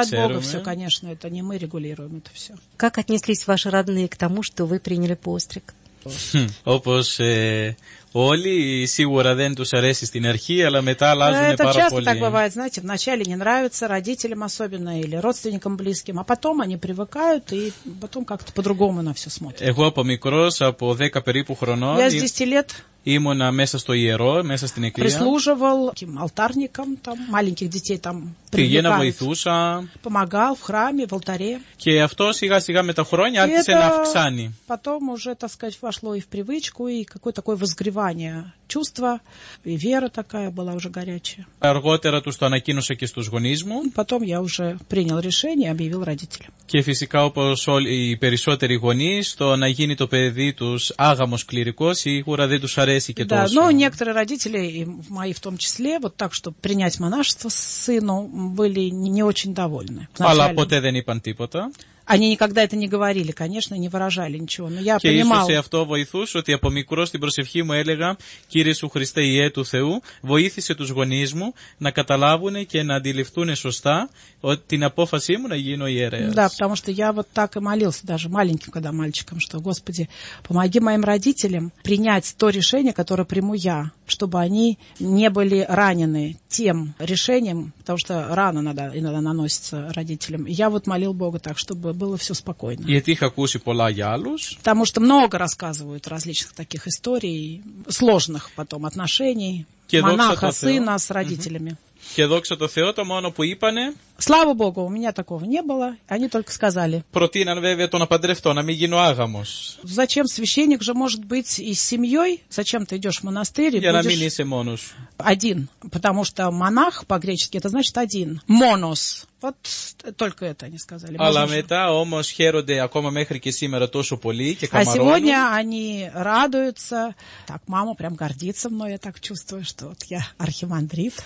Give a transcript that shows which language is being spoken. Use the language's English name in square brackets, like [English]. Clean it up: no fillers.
[Greek] ξέρουμε. [Russian] Да, это от Бога все, конечно, это не мы регулируем это все. Как отнеслись ваши родные к тому, что вы приняли постриг? [Greek] Όπως όλοι, σίγουρα δεν τους αρέσει στην αρχή, αλλά μετά αλλάζουν [Russian] это [Greek] πάρα [Russian] часто [Greek] πολύ. [Russian] Так бывает, знаете, вначале не нравится родителям особенно или родственникам близким, а потом они привыкают и потом как-то по-другому на все смотрят. [Greek] Εγώ από μικρός, από 10 περίπου χρονών, [Russian] я с 10 лет [Greek] ήμουνα μέσα στο ιερό, μέσα στην εκκλησία. [Russian] Прислуживал таким алтарником, там, маленьких детей там [Greek] πήγαινα, βοηθούσα. [Russian] Помогал в храме, в алтаре. [Greek] Και αυτό σιγά-σιγά με τα χρόνια [Russian] и [Greek] άρχισε να αυξάνει. [Russian] Потом уже, так сказать, вошло и в привычку, и какое-то такое возгревание чувства, и вера такая была уже горячая. [Greek] Αργότερα τους το ανακοίνωσα και στους γονείς μου. [Russian] Потом я уже принял решение, объявил родителям. [Greek] Και φυσικά όπως όλοι οι περισσότεροι γονείς, το να γίνει το παιδί τους άγαμος κληρικός, σίγουρα δεν τους αρέσει και [Russian] да, [Greek] τόσο. [Russian] Ну, некоторые родители, мои в том числе, вот так, чтобы принять монашество сыну, были не очень довольны. Вначале... [Greek] Αλλά ποτέ δεν είπαν τίποτα. [Russian] Они никогда это не говорили, конечно, не выражали ничего, но я [Greek] και [Russian] понимал. [Greek] Και αυτό βοηθούσε, ότι από μικρό στην προσευχή μου έλεγα, Κύριε Σου Χριστέ, Υιέ του Θεού, βοήθησε τους γονείς μου να καταλάβουν και να αντιληφθούν σωστά την απόφασή μου να γίνω ιερέας. [Russian] Да, потому что я вот так и молился, даже маленьким, когда мальчиком, что, Господи, помоги моим родителям принять то решение, которое приму я, чтобы они не были ранены тем решением, потому что рана надо, иногда наносится родителям. Я вот молил Бога так, чтобы было все спокойно. И ты их окуси пола ялус? Потому что много рассказывают различных таких историй, сложных потом отношений монаха, сына с родителями. [Greek] Και δόξα τω Θεώ, το μόνο που είπανε. [Russian] Слава Богу, у меня такого не было. Они только сказали. [Greek] Προτείναν βέβαια το να παντρευτώ, να μην γίνω άγαμος. [Russian] Зачем священник же может быть и с семьей? Зачем ты идешь в монастырь? [Greek] Για να мην είσαι μόνος. [Russian] Один. Потому что монах по-гречески это значит один. [Greek] Monos. [Russian] Вот только это они сказали. [Greek] Αλλά μετά όμως χαίρονται ακόμα μέχρι και σήμερα τόσο πολύ και καμαρώνουν. [Russian] А сегодня они радуются. Так, мама прям гордится мной. Я так чувствую, что вот я архимандрит.